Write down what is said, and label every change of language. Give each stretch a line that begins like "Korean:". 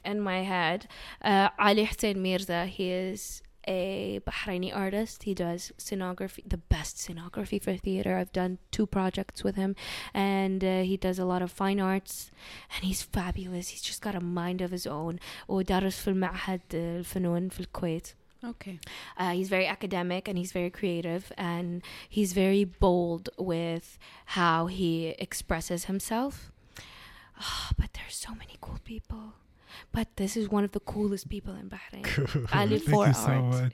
English: In my head. Ali Hussein Mirza. He is a Bahraini artist. He does scenography, the best scenography for theater. I've done 2 projects with him, and he does a lot of fine arts, and he's fabulous. He's just got a mind of his own.
Arabic: ودرس في المعهد الفنون في الكويت.
English: Okay. He's very academic and he's very creative, and he's very bold with how he expresses himself. Oh, but there's so many cool people. But this is one of the coolest people in Bahrain. Cool. Ali Thank you art. So much.